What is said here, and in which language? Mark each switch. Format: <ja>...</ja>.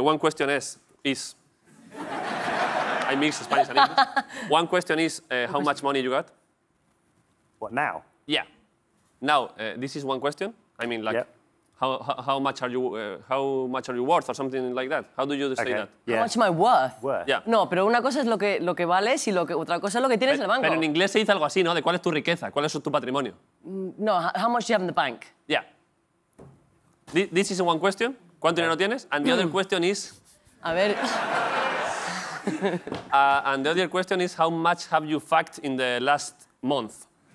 <en>One question is I mix Spanish and English. One question is how much money you got? What, now? Yeah. Now, this is one question. I mean, like, yep. How much are you worth or something like that? How do you say that? Yeah. How much am I worth? Yeah.</en> <es>No, pero una cosa es lo que vales y otra cosa es lo que tienes en el banco. Pero en inglés se dice algo así, ¿no? De cuál es tu riqueza, cuál es tu patrimonio.</es> <en>No, how much you have in the bank. Yeah. This is one question.</en> <es>¿Cuánto dinero tienes?</es> <en>And the other question is,</en> <es>A ver.</es> <en>And the other question is, how much have you fucked in the last month?</en>